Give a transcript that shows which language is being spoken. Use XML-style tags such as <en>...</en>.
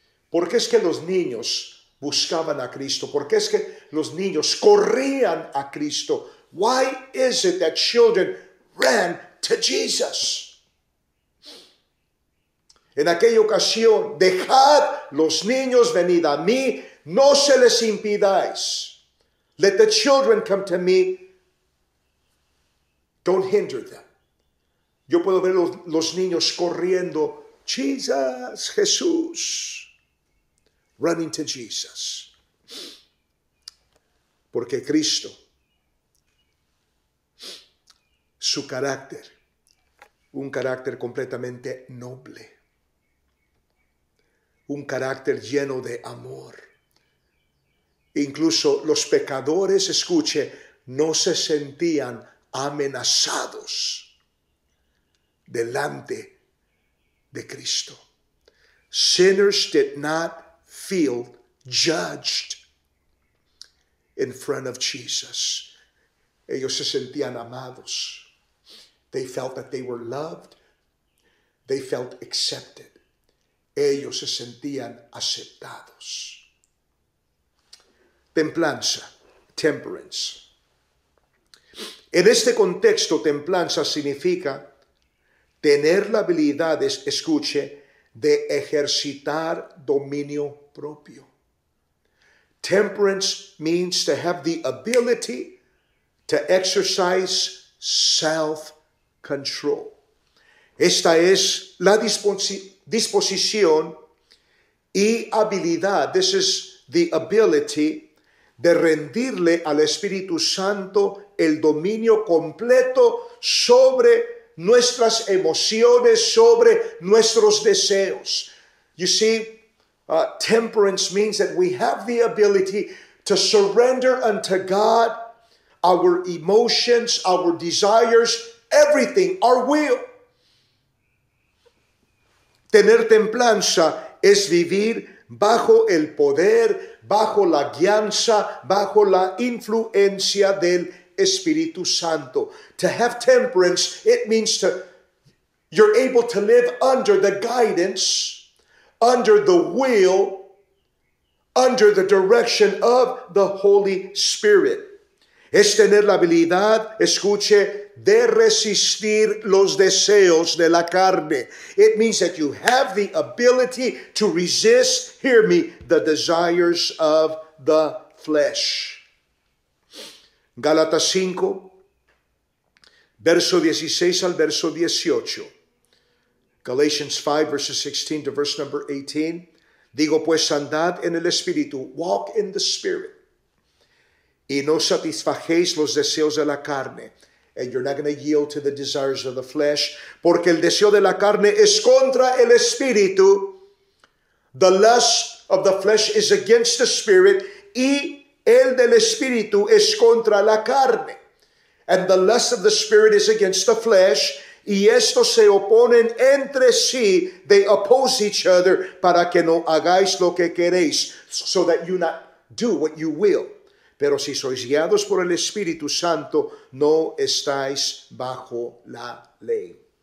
<es>¿Por qué es que los niños buscaban a Cristo? ¿Por qué es que los niños corrían a Cristo?</es> <en>Why is it that children ran to Jesus?</en> <es>En aquella ocasión, dejad los niños venid a mí, no se les impidáis.</es> <en>Let the children come to me. Don't hinder them.</en> <es>Yo puedo ver los niños corriendo, Jesus, Jesús,</es> <en>running to Jesus.</en> <es>Porque Cristo, su carácter, un carácter completamente noble, un carácter lleno de amor. Incluso los pecadores, escuche, no se sentían amenazados delante de Cristo.</es> <en>Sinners did not feel judged in front of Jesus.</en> <es>Ellos se sentían amados.</es> <en>They felt that they were loved. They felt accepted.</en> <es>Ellos se sentían aceptados. Templanza, temperance. En este contexto, templanza significa tener la habilidad, escuche, de ejercitar dominio propio.</es> <en>Temperance means to have the ability to exercise self-control.</en> <es>Esta es la disposición y habilidad.</es> <en>This is the ability</en> <es>de rendirle al Espíritu Santo el dominio completo sobre nuestras emociones, sobre nuestros deseos.</es> <en>You see, temperance means that we have the ability to surrender unto God our emotions, our desires, everything, our will.</en> <es>Tener templanza es vivir bajo el poder, bajo la guianza, bajo la influencia del Espíritu Santo.</es> <en>To have temperance, it means to you're able to live under the guidance, under the will, under the direction of the Holy Spirit.</en> <es>Es tener la habilidad, escuche, de resistir los deseos de la carne.</es> <en>It means that you have the ability to resist, hear me, the desires of the flesh.</en> <es>Gálatas 5, verso 16 al verso 18.</es> <en>Galatians 5, verse 16 to verse number 18.</en> <es>Digo pues, andad en el Espíritu,</es> <en>walk in the Spirit.</en> <es>Y no satisfagéis los deseos de la carne.</es> <en>And you're not going to yield to the desires of the flesh.</en> <es>Porque el deseo de la carne es contra el Espíritu.</es> <en>The lust of the flesh is against the Spirit.</en> <es>Y el del Espíritu es contra la carne.</es> <en>And the lust of the Spirit is against the flesh.</en> <es>Y estos se oponen entre sí.</es> <en>They oppose each other.</en> <es>Para que no hagáis lo que queréis.</es> <en>So that you not do what you will.</en> <es>Pero si sois guiados por el Espíritu Santo, no estáis bajo la ley.</es>